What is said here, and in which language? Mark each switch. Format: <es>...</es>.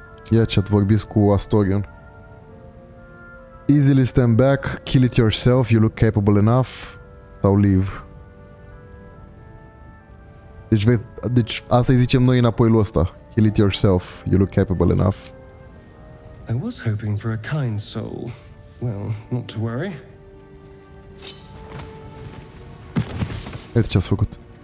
<ro>Ia, chat, vorbiți cu Astorion.</ro> <en>Easily stand back, kill it yourself, you look capable enough.</en> <ro>Sau leave. Deci asta îi zicem noi înapoi lui ăsta.</ro> <en>Kill it yourself, you look capable enough. I was hoping for a kind soul. Well, not to worry.</en> <ro>Iată ce-ați făcut.</ro>